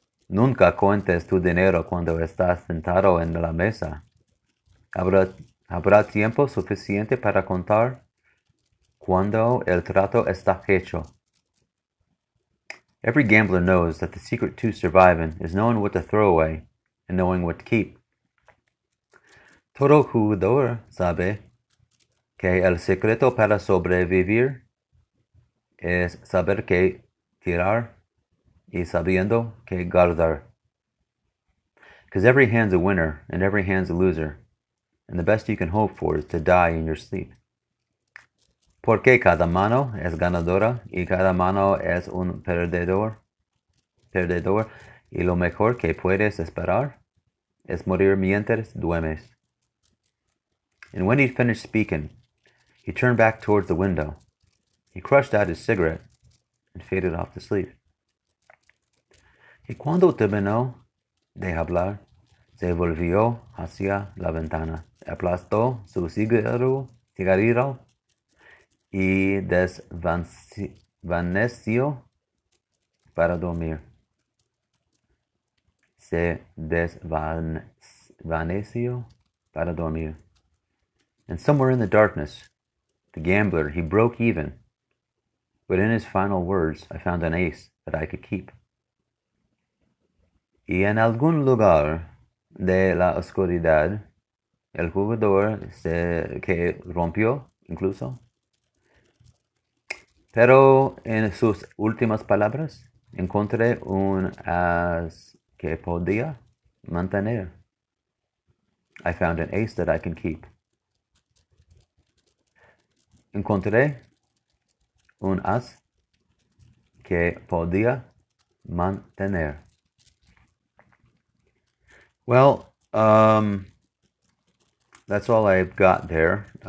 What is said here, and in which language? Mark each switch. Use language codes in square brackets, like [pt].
[es] Nunca cuentes tu dinero cuando estás sentado en la mesa. Habrá tiempo suficiente para contar cuando el trato está hecho. [en] Every gambler knows that the secret to surviving is knowing what to throw away and knowing what to keep. [es] Todo jugador sabe que el secreto para sobrevivir es saber qué tirar y sabiendo qué guardar. [en] Because every hand's a winner and every hand's a loser, and the best you can hope for is to die in your sleep. [es] Porque cada mano es ganadora y cada mano es un perdedor, y lo mejor que puedes esperar es morir mientras duermes. [en] And when he'd finished speaking, he turned back towards the window. He crushed out his cigarette and faded off to sleep. [es] Y cuando terminó de hablar, se volvió hacia la ventana, aplastó su cigarrillo. Y desvaneció para dormir. Se desvaneció para dormir. [en] And somewhere in the darkness, the gambler, he broke even. But in his final words, I found an ace that I could keep. [es] Y en algún lugar de la oscuridad, el jugador se que rompió incluso. Pero en sus últimas palabras encontré un as que podía mantener. [en] I found an ace that I can keep. [es] Encontré un as que podía mantener. [en] Well, that's all I've got there.